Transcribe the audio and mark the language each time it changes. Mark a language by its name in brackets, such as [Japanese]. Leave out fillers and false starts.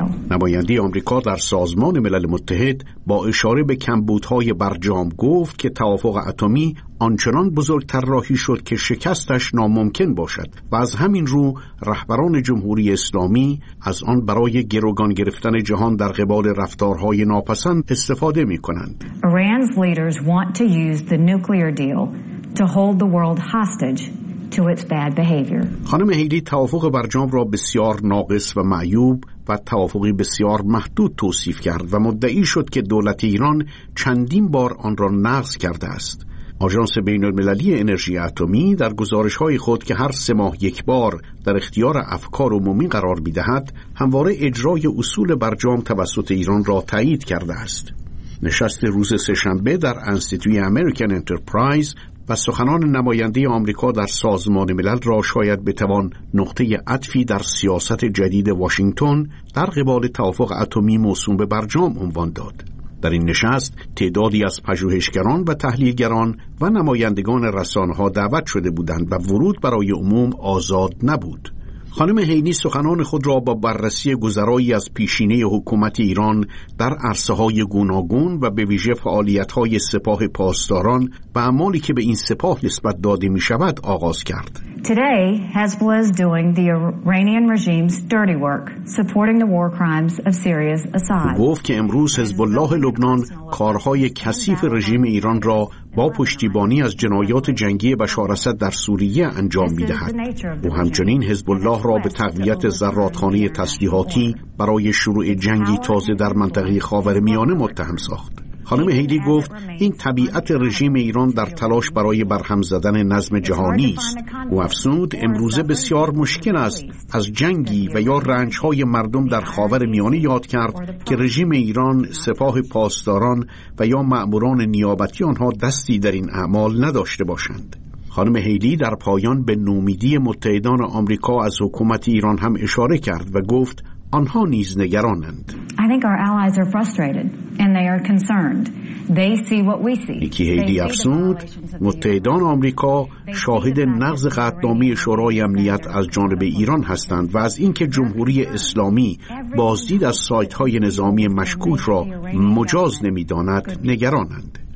[Persian] نماینده آمریکا در سازمان ملل متحد با اشاره به کمبودهای برجام گفت که توافق اتمی آنچنان بزرگ طراحی شد که شکستش ناممکن باشد و از همین رو رهبران جمهوری اسلامی از آن برای گروگان گرفتن جهان در قبال رفتارهای ناپسند استفاده می کنند. [English] Iran's leaders want to use the nuclear deal to hold the world hostage to its bad behavior. [Persian] خانم هیلی توافق برجام را بسیار ناقص و معیوب و توافقی بسیار محدود توصیف کرد و مدعی شد که دولت ایران چندین بار آن را نقض کرده است. آژانس بین المللی انرژی اتمی در گزارش‌های خود که هر سه ماه یک بار در اختیار افکار عمومی قرار می‌دهد، همواره اجرای اصول برجام توسط ایران را تایید کرده است. نشست روز سه‌شنبه در انستیتوی امریکن انترپرایز و سخنان نماینده آمریکا در سازمان ملل را شاید بتوان نقطه عطفی در سیاست جدید واشنگتن در قبال توافق اتمی موسوم به برجام عنوان داد. در این نشست تعدادی از پژوهشگران و تحلیلگران و نمایندگان رسانه‌ها دعوت شده بودند و ورود برای عموم آزاد نبود. خانم هیلی سخنان خود را با بررسی گذرایی از پیشینه حکومت ایران در عرصه‌های گوناگون و به ویژه فعالیت‌های سپاه پاسداران و اعمالی که به این سپاه نسبت داده می‌شود آغاز کرد. [English] Today, Hezbollah is doing the Iranian regime's dirty work, supporting the war crimes of Syria's Assad. [Persian] گفت که امروز حزب‌الله لبنان کارهای کثیف رژیم ایران را با پشتیبانی از جنایات جنگی بشار اسد در سوریه انجام می‌دهد. و همچنین حزب‌الله را به تقویت زرادخانه تسلیحاتی برای شروع جنگی تازه در منطقه خاورمیانه متهم ساخت. خانم هیلی گفت این طبیعت رژیم ایران در تلاش برای برهم زدن نظم جهانی است. او افزود امروزه بسیار مشکل است از جنگی و یا رنج‌های مردم در خاورمیانه یاد کرد که رژیم ایران، سپاه پاسداران و یا ماموران نیابتی آنها دستی در این اعمال نداشته باشند. خانم هیلی در پایان به نومیدی متحدان آمریکا از حکومت ایران هم اشاره کرد و گفت آنها نیز نگرانند. [English] I think our allies are frustrated and they are concerned. They see what we see. [Persian] نیکی هیلی افزود متحدان آمریکا شاهد نقض قطعنامه شورای امنیت از جانب ایران هستند و از اینکه جمهوری اسلامی بازدید از سایت‌های نظامی مشکوک را مجاز نمی‌داند نگرانند.